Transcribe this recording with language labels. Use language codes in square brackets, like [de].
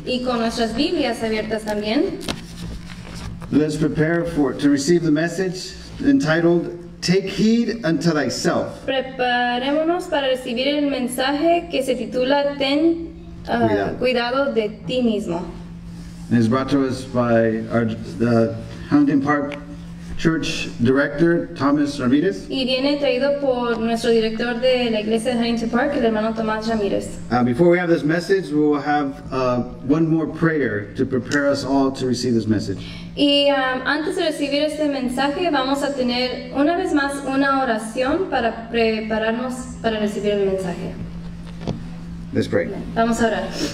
[es] y con nuestras Biblias abiertas también, [en] let's prepare for to receive the message entitled "Take Heed Unto Thyself." [es] Preparémonos para recibir el mensaje que se titula "Ten cuidado de ti mismo." [en] And it's brought to us by the Huntington Park Church Director Thomas Ramirez. [es] Y viene traído por nuestro director de la iglesia de Huntington Park, el hermano Tomás Ramirez. [en] Before we have this message, we will have one more prayer to prepare us all to receive this message. [es] Y antes de recibir este mensaje, vamos a tener una vez más una oración para prepararnos para recibir el mensaje. [en] Let's pray. [es] Vamos a orar.